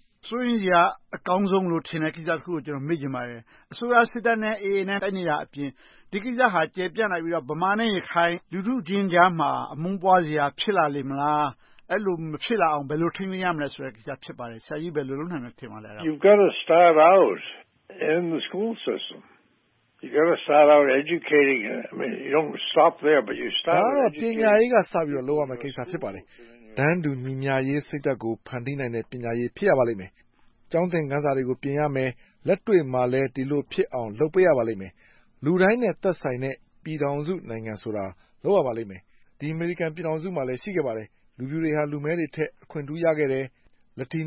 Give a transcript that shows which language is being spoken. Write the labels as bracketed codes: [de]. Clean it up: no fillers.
[my] ဆိုရင်ကအကောင်းဆုံးလို့ထင်တဲ့ကိစ္စတစ်ခုကိုကျွန်တော်မေ့ချင်ပါတယ်အစိုးရစစ်တပ်နဲ့အေအေနဲ့တိုက်နေတာအပြင်ဒီကိစ္စဟာကျေပြန့်လိုက်ပြီးတော့ဗမာနဲ့ရခိုင်လူထုချင်းကြားမှာအမုန်းပွားစရာဖြစ်လာလိမ့်မလားအဲ့လိုမဖြစ်လာအောင်ဘယ်လိုထိန်းသိမ်းရမလဲဆိုတဲ့ကိစ္စဖြစ်ပါတယ်ဆရာကြီးဘယ်လိုလုပ်နိုင်မလဲထင်ပါလဲ [en] You've got to start out in the school system You I mean, you don't stop there, but you start educating. [my] Ah, ပညာရေးစိတ်ဓာတ်ကိုဖန်တီးနိုင်တဲ့ပညာရေးဖြစ်ရပါလိမ့်မယ်။ကျောင်းသင်ခန်းစာတွေကိုပြင်ရမယ်။လက်တွေ့မှာလဲဒီလိုဖြစ်အောင်လုပ်ပေးရပါလိမ့်မယ်။လူတိုင်းနဲ့သက်ဆိုင်တဲ့ပြည်တော်စုနိုင်ငံဆိုတာလုပ်ရပါလိမ့်မယ်။ဒီအမေရိကန်ပြည်တော်စုမှာလည်းရှိခဲ့ပါတယ်။လူပြူတွေဟာလူမဲတွေထက်အခွင့်အရေးရခဲ့တယ်။ ရိ